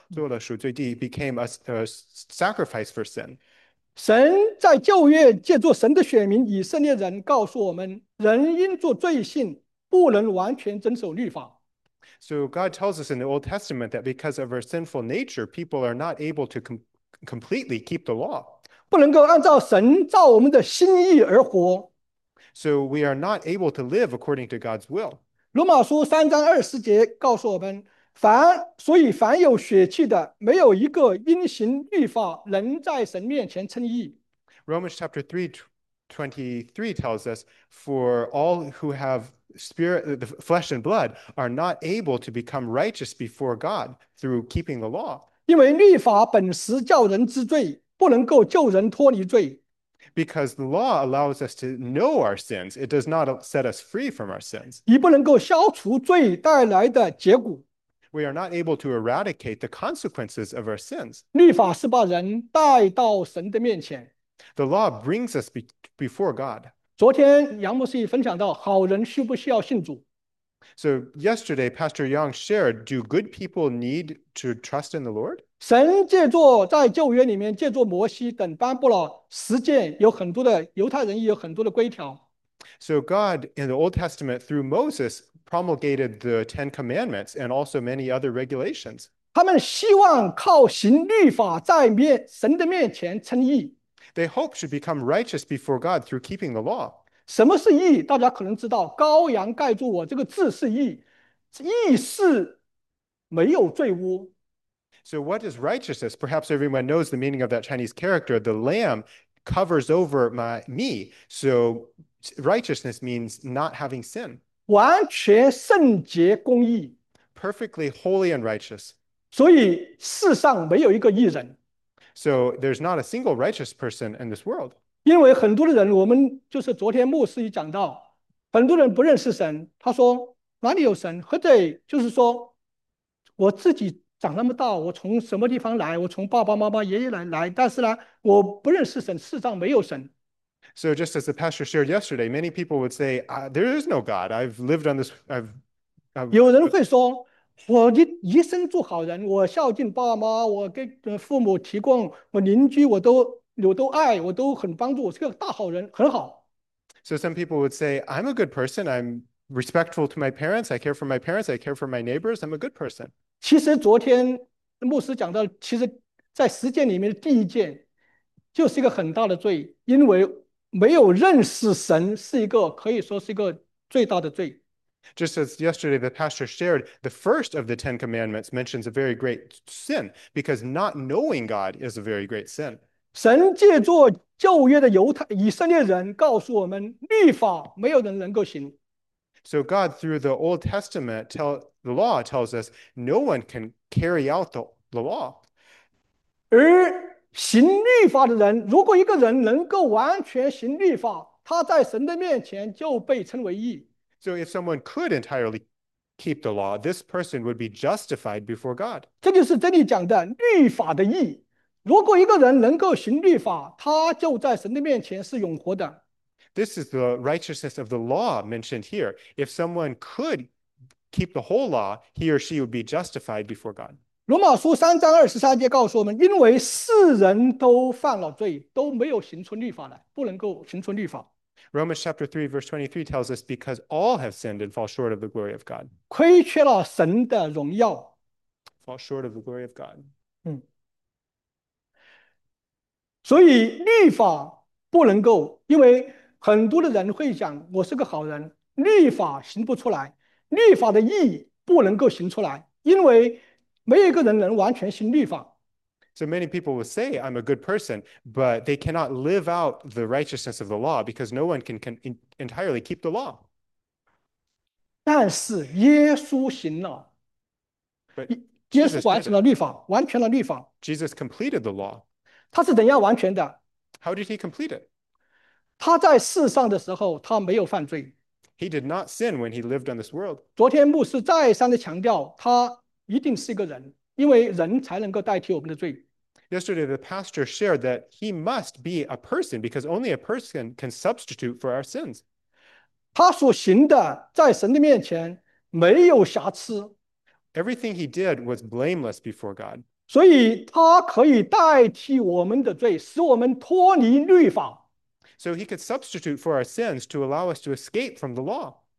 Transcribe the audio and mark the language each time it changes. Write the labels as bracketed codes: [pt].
[zh] 做了赎罪祭， [en] became a sacrifice for sin. [zh] 神在旧约借助神的选民以色列人，告诉我们，人因着罪性，不能完全遵守律法。 [en] So God tells us in the Old Testament that because of our sinful nature, people are not able to completely keep the law. [zh] 不能够按照神照我们的心意而活。 [en] So we are not able to live according to God's will. [zh] 罗马书3章20节告诉我们，所以凡有血气的，没有一个因行律法能在神面前称义。 [en] Romans chapter 3:23 tells us, "For all who have spirit, the flesh and blood, are not able to become righteous before God through keeping the law." [zh] 因为律法本是叫人知罪。不能够救人脱离罪， [en] Because the law allows us to know our sins. It does not set us free from our sins. [zh] 也不能够消除罪带来的结果。 [en] We are not able to eradicate the consequences of our sins. [zh] 律法是把人带到神的面前。 [en] The law brings us before God. [zh] 昨天杨牧师分享到，好人需不需要信主？ [en] So yesterday, Pastor Young shared, do good people need to trust in the Lord? [zh] 神借助在旧约里面，借助摩西等颁布了10诫，有很多的犹太人也有很多的规条。 [en] So God in the Old Testament through Moses promulgated the Ten Commandments and also many other regulations. [zh] 他们希望靠行律法在神的面前称义。 [en] They hope to become righteous before God through keeping the law. [zh] 什么是义？大家可能知道，羔羊盖住我这个字是义，义是没有罪污。 [en] So what is righteousness? Perhaps everyone knows the meaning of that Chinese character. The lamb covers over me. So righteousness means not having sin. [zh] 完全圣洁公义， [en] Perfectly holy and righteous. [zh] 所以世上没有一个义人， [en] So there's not a single righteous person in this world. [zh] 因为很多的人，我们就是昨天牧师也讲到，很多人不认识神，他说哪里有神？或者就是说我自己长那么大，我从什么地方来？我从爸爸妈妈、爷爷奶奶，但是呢，我不认识神，世上没有神。 [en] So just as the pastor shared yesterday, many people would say, there is no God. I've lived on this, [zh] 有人会说：“我一生做好人，我孝敬爸妈，我给父母提供，我邻居我都爱，我都很帮助，我是个大好人，很好。 [en] So some people would say, I'm a good person. I'm respectful to my parents. I care for my parents. I care for my neighbors. I'm a good person. [zh] ”其实昨天牧师讲到，其实，在10诫里面的第一诫就是一个很大的罪，因为没有认识神是一个可以说是一个最大的罪。 [en] Just as yesterday, the pastor shared, the first of the Ten Commandments mentions a very great sin, because not knowing God is a very great sin. [zh] 神借助旧约的以色列人告诉我们，律法没有人能够行。 [en] So God, through the Old Testament, the law tells us no one can carry out the law. [zh] 而行律法的人，如果一个人能够完全行律法，他在神的面前就被称为义。 [en] So if someone could entirely keep the law, this person would be justified before God. [zh] 这就是这里讲的律法的义。如果一个人能够行律法，他就在神的面前是永活的。 [en] This is the righteousness of the law mentioned here. If someone could keep the whole law, he or she would be justified before God. [zh] 罗马书三章二十三节告诉我们，因为世人都犯了罪，都没有行出律法来，不能够行出律法。 [en] Romans chapter 3, verse 23 tells us, because all have sinned and fall short of the glory of God. [zh] 亏缺了神的荣耀。 [en] Fall short of the glory of God. [zh] 所以律法不能够，因为很多的人会讲，我是个好人，律法行不出来，律法的义不能够行出来，因为没有一个人能完全行律法。 [en] So many people will say, I'm a good person, but they cannot live out the righteousness of the law because no one can entirely keep the law. [zh] 但是耶稣行了，耶稣 [en] Jesus [zh] 完 [en] did [zh] 成 [en] it. [zh] 了律法，完全了律法。 [en] Jesus completed the law. [zh] 他是怎样完全的？ [en] How did he complete it? [zh] 他在世上的时候，他没有犯罪。 [en] He did not sin when he lived on this world. [zh] 昨天牧师再三的强调，他一定是一个人，因为人才能够代替我们的罪。 [en] Yesterday, the pastor shared that he must be a person because only a person can substitute for our sins. [zh] 他所行的在神的面前没有瑕疵， [en] Everything he did was blameless before God. [zh] 所以他可以代替我们的罪，使我们脱离律法。 [en] So he could substitute for our sins to allow us to escape from the law.